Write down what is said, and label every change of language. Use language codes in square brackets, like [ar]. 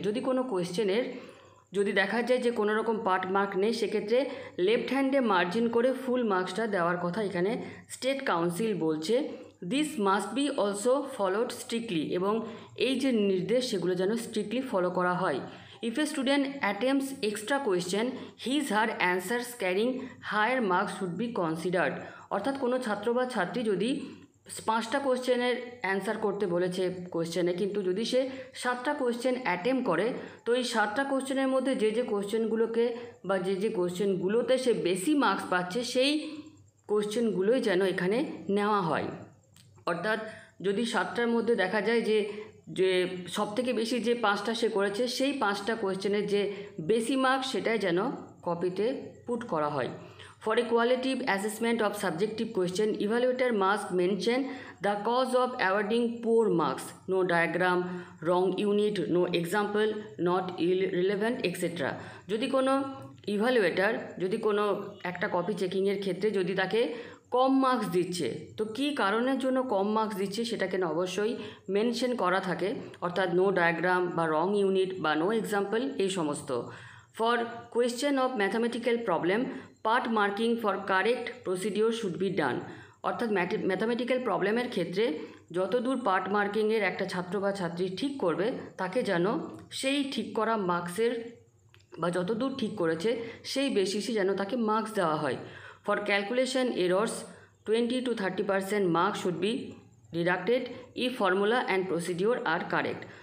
[bn] যদি কোনো কোয়েশ্চেনের যদি দেখা যায় যে কোনো রকম পার্ট মার্ক নেই সেক্ষেত্রে লেফট হ্যান্ডে মার্জিন করে ফুল মার্কসটা দেওয়ার কথা এখানে স্টেট কাউন্সিল বলছে। [en] this must be also followed strictly, [bn] এবং এই যে নির্দেশ সেগুলো যেন স্ট্রিক্টলি ফলো করা হয়। [en] If a student attempts extra question, his her answers carrying higher marks should be considered. [bn] অর্থাৎ কোনো ছাত্র বা ছাত্রী যদি পাঁচটা কোশ্চেনের অ্যান্সার করতে বলেছে কোশ্চেনে, কিন্তু যদি সে সাতটা কোশ্চেন অ্যাটেম করে, তো এই সাতটা কোশ্চেনের মধ্যে যে যে কোশ্চেনগুলোকে বা যে যে কোশ্চেনগুলোতে সে বেশি মার্কস পাচ্ছে, সেই কোশ্চেনগুলোই যেন এখানে নেওয়া হয়। অর্থাৎ যদি সাতটার মধ্যে দেখা যায় যে যে সবথেকে বেশি যে পাঁচটা সে করেছে, সেই পাঁচটা কোশ্চেনের যে বেশি মার্কস সেটাই যেন কপিতে পুট করা হয়। [en] For a qualitative assessment of subjective question, evaluator must mention the cause of awarding poor marks. No diagram, wrong unit, no example, not irrelevant, etc. [bn] যদি কোনো ইভালুয়েটার যদি কোনো একটা কপি চেকিংয়ের ক্ষেত্রে যদি তাকে কম মার্কস দিচ্ছে, তো কী কারণের জন্য কম মার্কস দিচ্ছে সেটা কেন অবশ্যই মেনশন করা থাকে, অর্থাৎ নো ডায়াগ্রাম বা রং ইউনিট বা নো এক্সাম্পল এই সমস্ত। [en] For question of mathematical problem, part marking for correct procedure should be done. [bn] অর্থাৎ ম্যাথামেটিক্যাল প্রবলেমের ক্ষেত্রে যতদূর পার্ট মার্কিংয়ের একটা ছাত্র বা ছাত্রী ঠিক করবে, তাকে যেন সেই ঠিক করা মার্কসের বা যতদূর ঠিক করেছে সেই বেসিসে যেন তাকে মার্কস দেওয়া হয়। [en] For calculation errors 20-30% marks should be deducted if formula and procedure are correct.